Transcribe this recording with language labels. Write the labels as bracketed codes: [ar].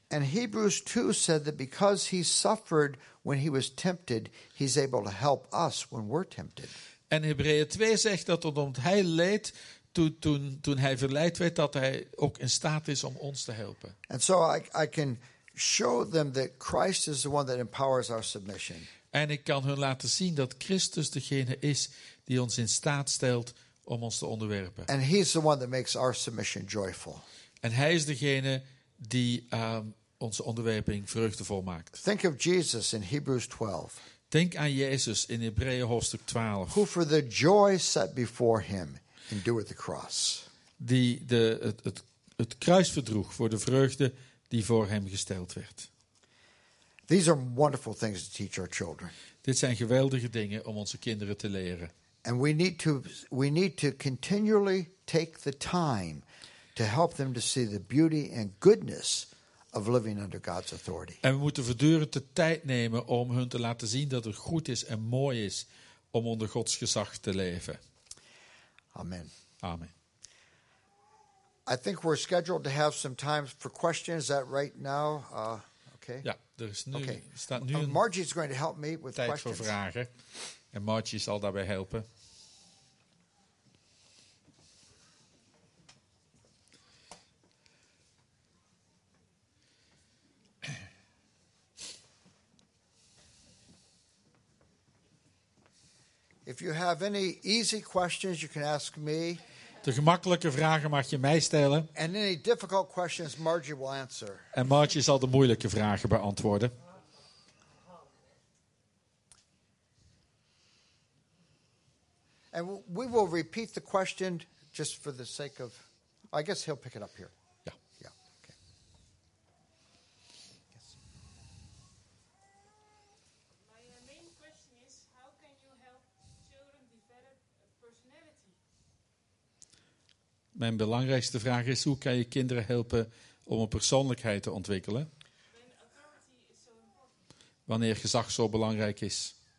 [en] And Hebrews 2 said that because he suffered when he was tempted, he's able to help us when we're tempted. [nl] En Hebreeën 2 zegt dat omdat hij leed toen hij verleid werd, dat hij ook in staat is om ons te helpen. [en] And so I can show them that Christ is the one that empowers our submission. [nl] En ik kan hun laten zien dat Christus degene is die ons in staat stelt om ons te onderwerpen. [en] And he's the one that makes our submission joyful. [nl] En hij is degene die onze onderwerping vruchtbaar maakt. [en] Think of Jesus in Hebrews 12. [nl] Denk aan Jezus in Hebreeën hoofdstuk 12. [en] Who for the joy set before him endured the cross. [nl] Die het kruis verdroeg voor de vreugde die voor hem gesteld werd. [en] These are wonderful things to teach our children. [nl] Dit zijn geweldige dingen om onze kinderen te leren. [en] And we need to continually take the time to help them to see the beauty and goodness of living under God's authority. [nl] En we moeten voortdurend de tijd nemen om hun te laten zien dat het goed is en mooi is om onder Gods gezag te leven. [en] Amen. [nl] Amen. [en] I think we're scheduled to have some time for questions. Is that right now? Okay. [nl] Ja, dus nu okay. Staat nu. [en] Margie is going to help me with [nl] tijd [en] questions. [nl] Voor vragen. En Margie zal daarbij helpen. [en] If you have any easy questions, you can ask me. [nl] De gemakkelijke vragen mag je mij stellen. [en] And any difficult questions, Margie will answer. [nl] En Margie zal de moeilijke vragen beantwoorden. [en] And we will repeat the question just for the sake of. I guess he'll pick it up here. Yeah. Yeah. Okay. Yes. My main question is, how can you help children develop personality? [nl] Mijn belangrijkste vraag is, hoe kan je kinderen helpen om een persoonlijkheid te ontwikkelen? [en] When authority is so important. [nl] Wanneer gezag zo belangrijk is.